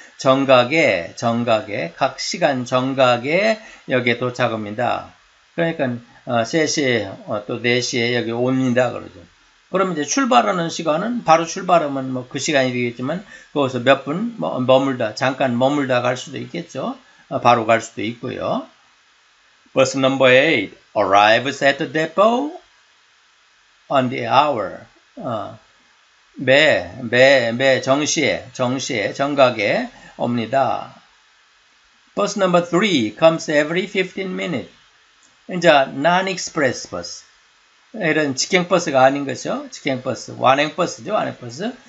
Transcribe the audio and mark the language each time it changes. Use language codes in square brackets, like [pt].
[ko] 정각에, 정각에, 각 시간 정각에 여기에 도착합니다. 그러니까 3시에 또 4시에 여기 옵니다. 그러죠. 그럼 이제 출발하는 시간은 바로 출발하면 뭐 그 시간이 되겠지만 거기서 몇 분 머물다, 잠깐 머물다 갈 수도 있겠죠. 바로 갈 수도 있고요. [en] Bus number 8 arrives at the depot on the hour. [ko] 매 정시에 정각에 옵니다. [en] Bus number 3 comes every 15 minutes. [ko] 이제 [en] non-express bus. [ko] 이런 직행버스가 아닌 거죠. 직행버스. 완행버스죠. 완행버스.